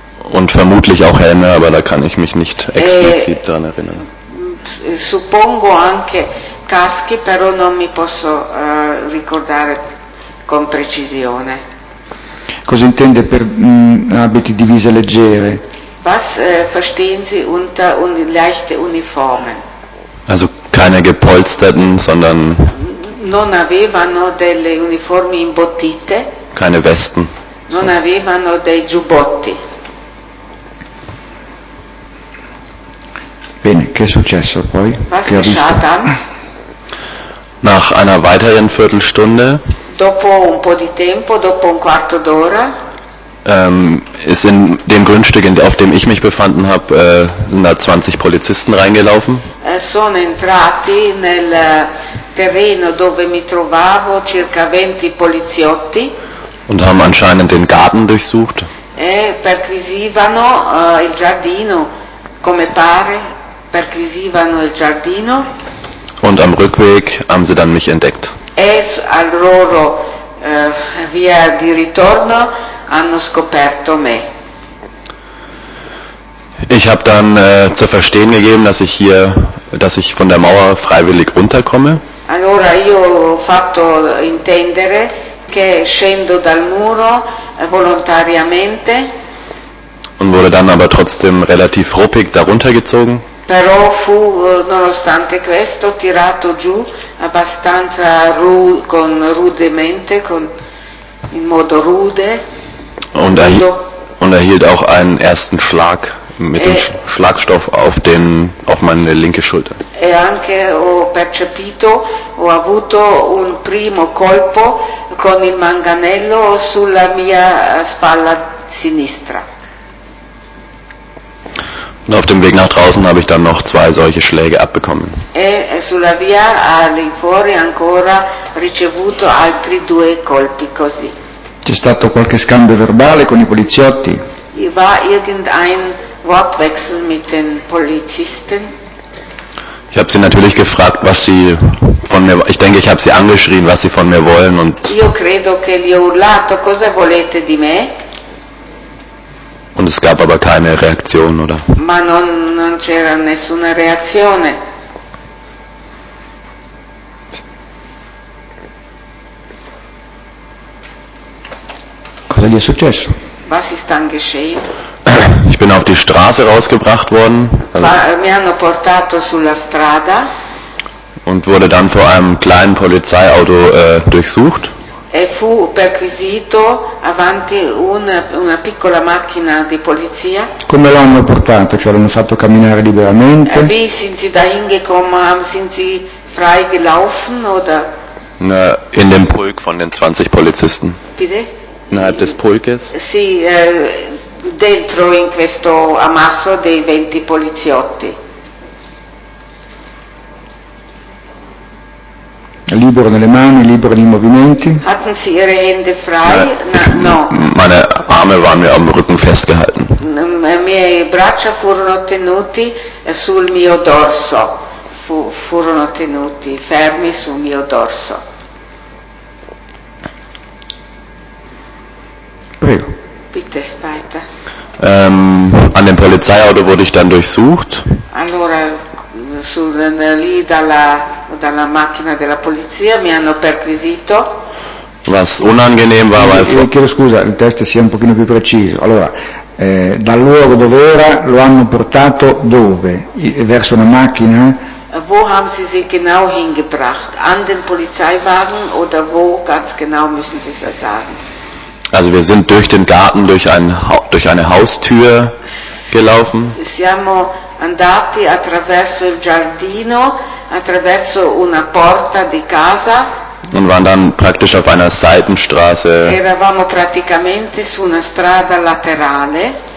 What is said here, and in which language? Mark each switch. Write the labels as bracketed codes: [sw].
[de] Und vermutlich auch Helme, aber da kann ich mich nicht explizit dran erinnern. [it] Suppongo anche caschi, però non mi posso ricordare con precisione. Cosa intende per abiti di divise leggere? [de] Was verstehen Sie unter leichte Uniformen? Also keine gepolsterten, sondern. [it] Non avevano delle uniformi imbottite. [de] Keine Westen. [it] Non avevano dei giubbotti. Bene, che è successo poi? [de] Was geschah dann? Nach einer weiteren Viertelstunde. [it] Dopo un po' di tempo, dopo un quarto d'ora. [de] Ist in dem Grundstück, auf dem ich mich befanden habe, da 20 Polizisten reingelaufen. [it] Sono entrati nel terreno dove mi trovavo circa 20 poliziotti. [de] Und haben anscheinend den Garten durchsucht. [it] E perquisivano il giardino, come pare. Perquisivano il giardino. [de] Und am Rückweg haben sie dann mich entdeckt. [it] E al loro via di ritorno hanno scoperto me. [de] Ich habe dann zu verstehen gegeben, dass ich von der Mauer freiwillig runterkomme. [it] Allora io ho fatto intendere che scendo dal muro volontariamente. [de] Und wurde dann aber trotzdem relativ ruppig darunter gezogen. [it] Però fu, nonostante questo, tirato giù abbastanza in modo rude. [de] Und erhielt auch einen ersten Schlag mit dem Schlagstoff auf meine linke Schulter. [it] E anche ho percepito, ho avuto un primo colpo con il manganello sulla mia spalla sinistra. [de] Und auf dem Weg nach draußen habe ich dann noch zwei solche Schläge abbekommen. [it] E sulla via all'infuori ancora ricevuto altri due colpi così. C'è stato qualche scambio verbale con i poliziotti? [de] War irgendein Wortwechsel mit den Polizisten? Ich habe sie natürlich gefragt, was sie von mir. Ich denke, ich habe sie angeschrien, was sie von mir wollen und. [it] Io credo che gli ho urlato cosa volete di me? [de] Und es gab aber keine Reaktion, oder? [it] Ma non c'era nessuna reazione. Cosa gli è successo? [de] Was ist dann geschehen? Ich bin auf die Straße rausgebracht worden. [it] Mi hanno portato sulla strada. [de] Und wurde dann vor einem kleinen Polizeiauto durchsucht. [it] E fu perquisito avanti una piccola macchina di polizia. Come l'hanno portato? Cioè l'hanno fatto camminare liberamente? [de] E wie sind sie da hingekommen? Sind sie frei gelaufen oder? Na, in dem Pulk von den 20 Polizisten. Bitte? Innerhalb des Pulkes? [it] Sì, dentro in questo ammasso dei 20 poliziotti. Libero nelle mani, libero nei movimenti. [de] Hatten sie ihre Hände frei? [it] No. [de] Meine Arme waren mir am Rücken festgehalten. [it] Miei braccia furono tenuti sul mio dorso. Furono tenuti fermi sul mio dorso. Prego. [de] Bitte, weiter. An dem Polizeiauto wurde ich dann durchsucht. [it] Allora, lì dalla macchina della polizia mi hanno perquisito. [de] Was unangenehm war, weil [it] chiedo scusa, il test sia un pochino più preciso. Allora, dal luogo dove era lo hanno portato dove? Verso una macchina? [de] Wo haben Sie sie genau hingebracht? An den Polizeiwagen oder wo ganz genau müssen Sie es sagen? Also wir sind durch den Garten durch eine Haustür gelaufen. [it] Siamo andati attraverso il giardino, attraverso una porta di casa. [de] Und waren dann praktisch auf einer Seitenstraße. [it] Eravamo praticamente su una strada laterale.